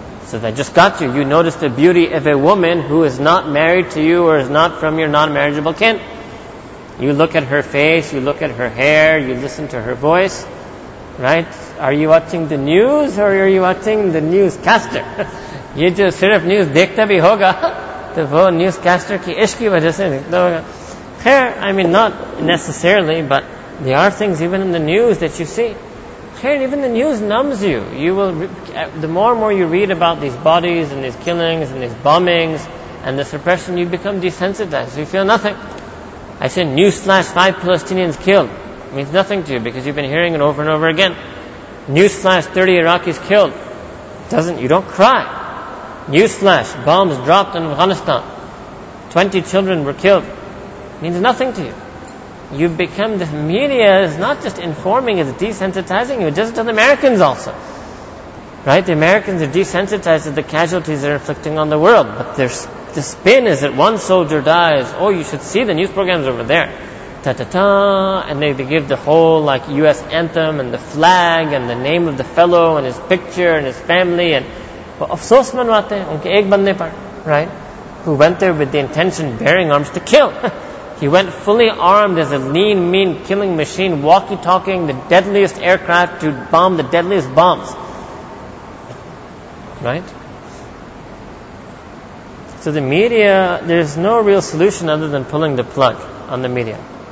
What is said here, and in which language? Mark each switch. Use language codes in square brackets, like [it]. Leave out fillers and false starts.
[en] So they just got you. You notice the beauty of a woman who is not married to you or is not from your non-marriageable kin. You look at her face, you look at her hair, you listen to her voice. Right? Are you watching the news or are you watching the newscaster? [ur] یہ جو صرف news دیکھتا بھی ہوگا، تو وہ نیوزکاسٹر کی عشق کی وجہ سے دیکھتا ہوگا۔ [en] Khair, I mean not necessarily, but there are things even in the news that you see. Khair, even the news numbs you. You will, the more and more you read about these bodies and these killings and these bombings and the suppression, you become desensitized. You feel nothing. I said newsflash, 5 Palestinians killed. means nothing to you because you've been hearing it over and over again. Newsflash, 30 Iraqis killed. You don't cry. Newsflash, bombs dropped in Afghanistan. 20 children were killed. Means nothing to you. You've become, the media is not just informing, it's desensitizing you. It does it to the Americans also. Right? The Americans are desensitized to the casualties they're inflicting on the world. But the spin is that one soldier dies. Oh, you should see the news programs over there. Ta-ta-ta. And they give the whole like U.S. anthem and the flag and the name of the fellow and his picture and his family. And [ur] افسوس منواتے ہیں انکے ایک بندے پر۔ [en] Right? Who went there with the intention bearing arms to kill. He went fully armed as a lean, mean killing machine, walkie-talking the deadliest aircraft to bomb the deadliest bombs. Right? So the media, there's no real solution other than pulling the plug on the media.